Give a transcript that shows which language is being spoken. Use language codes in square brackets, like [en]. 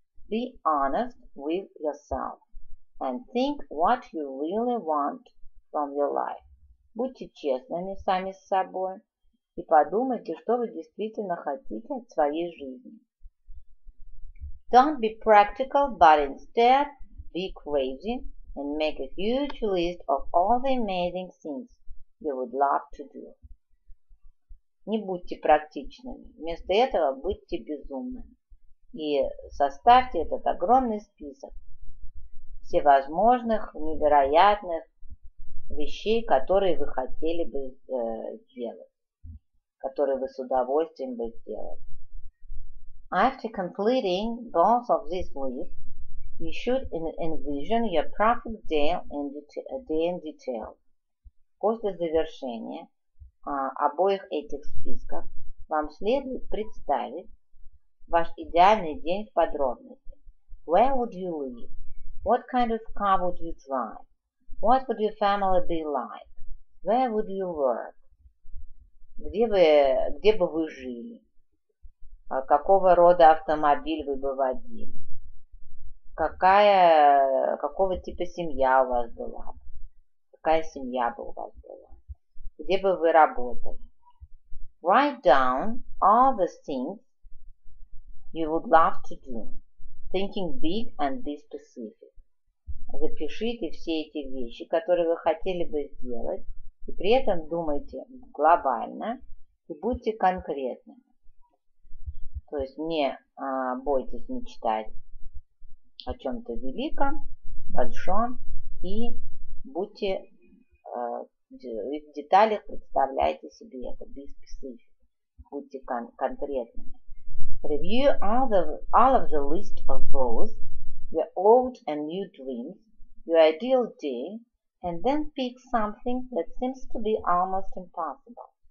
[en] Be honest with yourself and think what you really want from your life. [ru] Будьте честными сами с собой и подумайте, что вы действительно хотите от своей жизни. [en] Don't be practical, but instead be crazy and make a huge list of all the amazing things you would love to do. [ru] Не будьте практичными, вместо этого будьте безумными. И составьте этот огромный список всевозможных невероятных вещей, которые вы хотели бы сделать, которые вы с удовольствием бы сделали. [en] After completing both of these lists, you should envision your perfect day in detail. [ru] После завершения обоих этих списков вам следует представить ваш идеальный день в подробности. [en] Where would you live? What kind of car would you drive? What would your family be like? Where would you work? [ru] Где бы вы жили? Какого рода автомобиль вы бы водили? Какого типа семья у вас была? Какая семья бы у вас была? Где бы вы работали? [en] Write down all the things you would love to do, thinking big and be specific. [ru] Запишите все эти вещи, которые вы хотели бы сделать, и при этом думайте глобально и будьте конкретными. То есть не бойтесь мечтать о чем-то великом, большом, и будьте в деталях представляйте себе это, [en] be specific, [ru] будьте конкретными. [en] Review all of the list of both your old and new dreams, your ideal day, and then pick something that seems to be almost impossible.